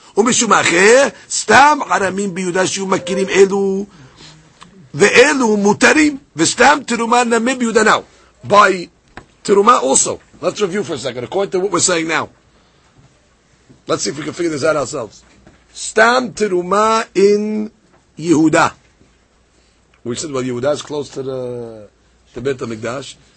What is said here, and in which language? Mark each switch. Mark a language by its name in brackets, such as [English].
[Hebrew] ומשום אחר, סתם חרמים ביהודה שיהיו מכירים אלו ואלו מותרים, וסתם תרומה נמי ביהודה נאו. [English] By תרומה also. Let's review for a second, according to what we're saying now. Let's see if we can figure this out ourselves. [Hebrew] סתם תרומה in יהודה. [English] We said, well, יהודה is close to the בית המקדש.